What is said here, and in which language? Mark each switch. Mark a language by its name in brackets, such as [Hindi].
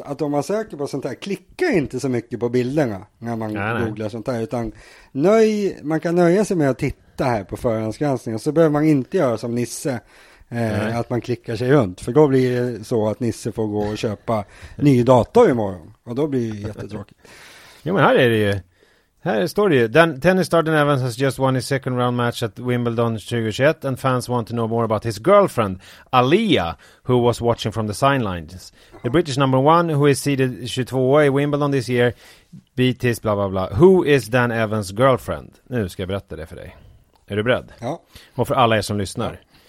[Swedish] Att om man söker på sånt här, klicka inte så mycket på bilderna när man googlar sånt här. Utan man kan nöja sig med att titta här på förhandsgranskningen. Så behöver man inte göra som Nisse, att man klickar sig runt. För då blir det så att Nisse får gå och köpa ny dator imorgon. Och då blir det jättetråkigt. Ja, men här är det ju. Här står det ju. [English] Tennis star Dan Evans has just won his second round match at Wimbledon 2021 and fans want to know more about his girlfriend, Aaliyah, who was watching from the sidelines. The British number one, who is seeded 22 i Wimbledon this year, beat his blah blah blah. Who is Dan Evans' girlfriend? [Swedish] Nu ska jag berätta det för dig. Är du beredd? Ja. Och för alla er som lyssnar.